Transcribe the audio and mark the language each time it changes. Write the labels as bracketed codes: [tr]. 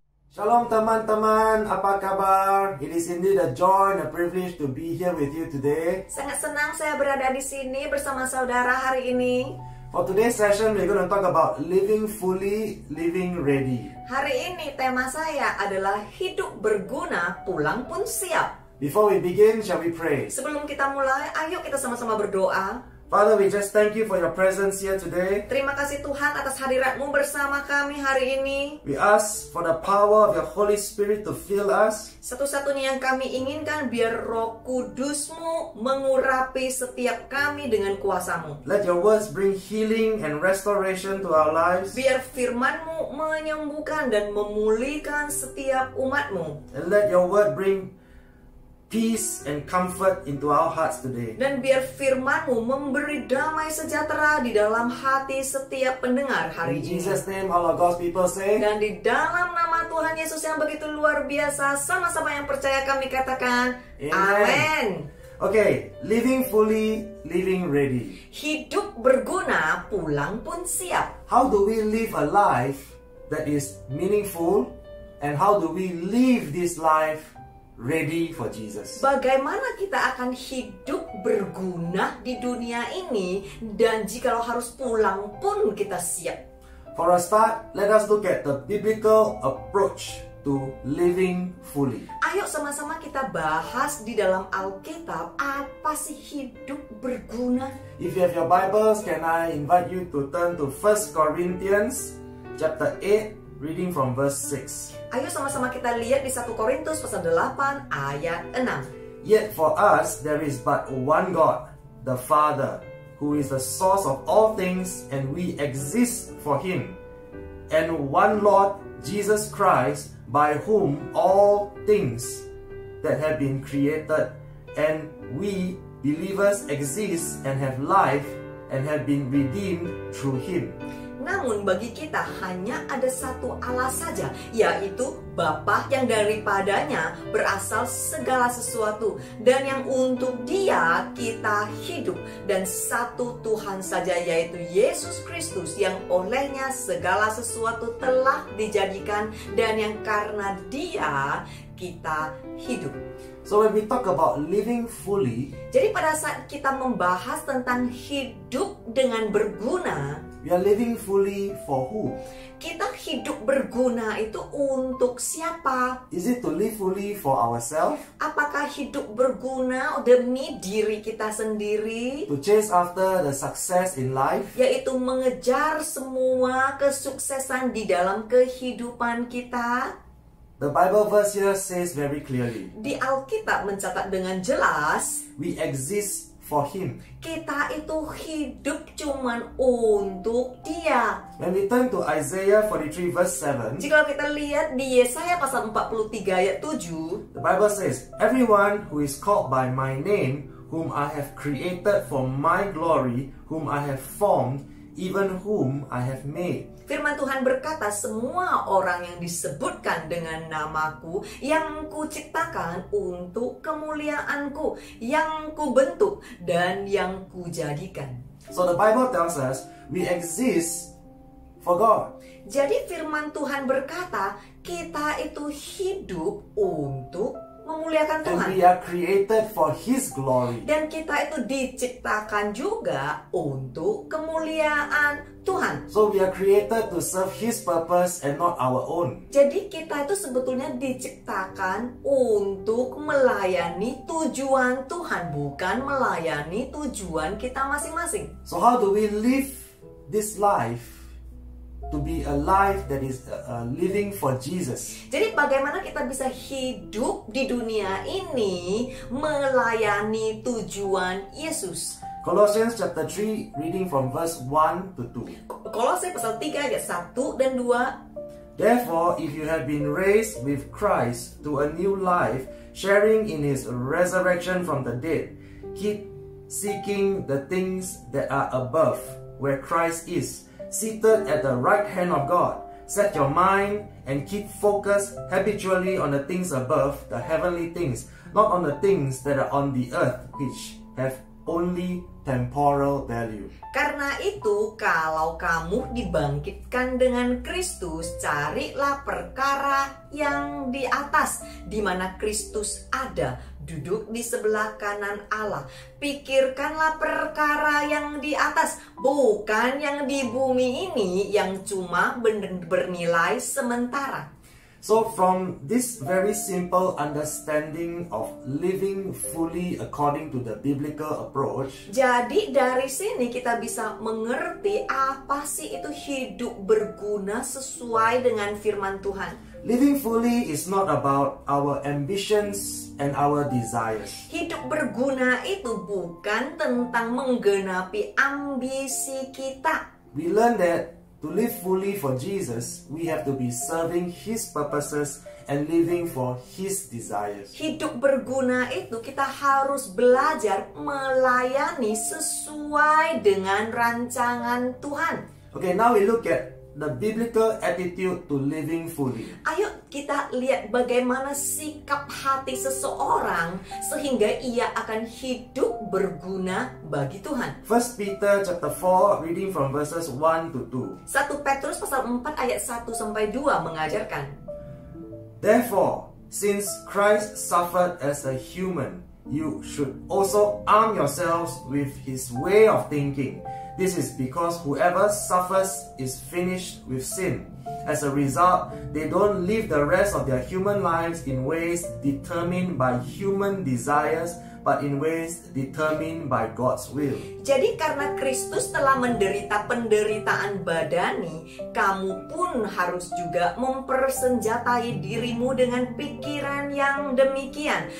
[id] Shalom teman-teman, apa kabar? [en] It is indeed a joy and a privilege to be here with you today. [id] Sangat senang saya berada di sini bersama saudara hari ini. [en] For today's session, we're going to talk about living fully, living ready. [id] Hari ini tema saya adalah hidup berguna, pulang pun siap. [en] Before we begin, shall we pray? [id] Sebelum kita mulai, ayo kita sama-sama berdoa. [en] Father, we just thank you for your presence here today. [id] Terima kasih Tuhan atas hadirat-Mu bersama kami hari ini. [en] We ask for the power of your Holy Spirit to fill us. [id] Satu-satunya yang kami inginkan biar Roh Kudus-Mu mengurapi setiap kami dengan kuasa-Mu. [en] Let your words bring healing and restoration to our lives. [id] Biar firman-Mu menyembuhkan dan memulihkan setiap umat-Mu. [en] And let your word bring peace and comfort into our hearts today. [id] Dan biar firman-Mu memberi damai sejahtera di dalam hati setiap pendengar hari ini. [en] In Jesus' name, all of God's people say. [id] Dan di dalam nama Tuhan Yesus yang begitu luar biasa, sama-sama yang percaya kami katakan, Amen. [en] Okay, living fully, living ready. [id] Hidup berguna, pulang pun siap. [en] How do we live a life that is meaningful, and how do we live this life ready for Jesus? [id] Bagaimana kita akan hidup berguna di dunia ini dan jika harus pulang pun kita siap? [en] For a start, let us look at the biblical approach to living fully. [id] Ayo sama-sama kita bahas di dalam Alkitab apa sih hidup berguna. [en] If you have your Bibles, can I invite you to turn to 1 Corinthians chapter 8, reading from verse 6. [id] Ayo sama-sama kita lihat di 1 Korintus pasal 8 ayat 6. [en] Yet for us there is but one God, the Father, who is the source of all things, and we exist for Him. And one Lord, Jesus Christ, by whom all things that have been created, and we believers exist and have life and have been redeemed through Him. [id] Namun bagi kita hanya ada satu Allah saja, yaitu Bapa yang daripadanya berasal segala sesuatu, dan yang untuk Dia kita hidup, dan satu Tuhan saja yaitu Yesus Kristus, yang olehnya segala sesuatu telah dijadikan, dan yang karena Dia kita hidup. [en] So when we talk about living fully, [id] jadi pada saat kita membahas tentang hidup dengan berguna, [en] we are living fully for who? [id] Kita hidup berguna itu untuk siapa? [en] Is it to live fully for ourselves? [id] Apakah hidup berguna demi diri kita sendiri? [en] To chase after the success in life? [id] Yaitu mengejar semua kesuksesan di dalam kehidupan kita? [en] The Bible verse here says very clearly. [id] Di Alkitab mencatat dengan jelas. [en] We exist for Him. [id] Kita itu hidup cuman untuk Dia. [en] When we turn to Isaiah 43 verse 7. [id] Jika kita lihat di Yesaya pasal 43 ayat 7. [en] The Bible says, everyone who is called by my name, whom I have created for my glory, whom I have formed, even whom I have made. [id] Firman Tuhan berkata, semua orang yang disebutkan dengan namaku, yang kuciptakan untuk kemuliaanku, yang kubentuk dan yang kujadikan. [en] So the Bible tells us we exist for God. [id] Jadi firman Tuhan berkata, kita itu hidup untuk memuliakan Tuhan. [en] And we are created for His glory. [id] Dan kita itu diciptakan juga untuk kemuliaan Tuhan. [en] So we are created to serve His purpose and not our own. [id] Jadi kita itu sebetulnya diciptakan untuk melayani tujuan Tuhan, bukan melayani tujuan kita masing-masing. [en] So how do we live this life to be a life that is living for Jesus? [id] Jadi bagaimana kita bisa hidup di dunia ini melayani tujuan Yesus? [en] Colossians chapter 3, reading from verse 1 to 2. [id] Kolose pasal 3 ayat 1 dan 2. [en] Therefore, if you have been raised with Christ to a new life, sharing in His resurrection from the dead, keep seeking the things that are above, where Christ is, seated at the right hand of God. Set your mind and keep focused habitually on the things above, the heavenly things, not on the things that are on the earth, which have only temporal value. [id] Karena itu, kalau kamu dibangkitkan dengan Kristus, carilah perkara yang di atas, di mana Kristus ada, duduk di sebelah kanan Allah. Pikirkanlah perkara yang di atas, bukan yang di bumi ini yang cuma bernilai sementara. [en] So from this very simple understanding of living fully according to the biblical approach. [id] Jadi dari sini kita bisa mengerti apa sih itu hidup berguna sesuai dengan firman Tuhan. [en] Living fully is not about our ambitions and our desires. [id] Hidup berguna itu bukan tentang menggenapi ambisi kita. [en] We learn that to live fully for Jesus, we have to be serving His purposes and living for His desires. [id] Hidup berguna itu kita harus belajar melayani sesuai dengan rancangan Tuhan. [en] Okay, now we look at the biblical attitude to living fully. [id] Ayo kita lihat bagaimana sikap hati seseorang sehingga ia akan hidup berguna bagi Tuhan. [en] 1 Peter chapter 4, reading from verses 1 to 2. [id] 1 Petrus pasal 4 ayat 1 sampai 2 mengajarkan. [en] Therefore, since Christ suffered as a human, you should also arm yourselves with His way of thinking. This is because whoever suffers is finished with sin. As a result, they don't live the rest of their human lives in ways determined by human desires, but in ways determined by God's will. [id] Jadi karena Kristus telah menderita penderitaan badani, kamu pun harus juga mempersenjatai dirimu dengan pikiran yang demikian.